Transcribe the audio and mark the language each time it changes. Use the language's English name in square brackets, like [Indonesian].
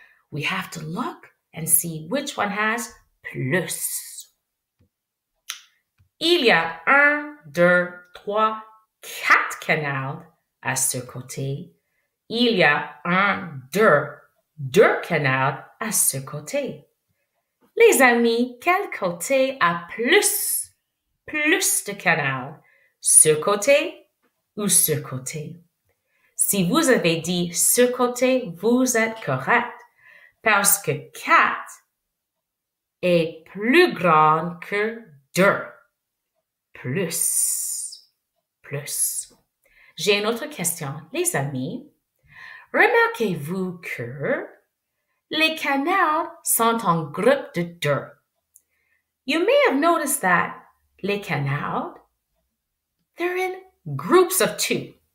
[English] We have to look and see which one has plus. [French] Il y a un, deux, trois, quatre canards à ce côté. Il y a un, deux, deux canards à ce côté. Les amis, quel côté a plus de canal? Ce côté ou ce côté? Si vous avez dit ce côté, vous êtes correct parce que 4 est plus grand que 2. Plus. J'ai une autre question. Les amis, remarquez-vous que les canards sont en groupe de 2. [English] You may have noticed that [French] les canards, [English] they're in groups of 2.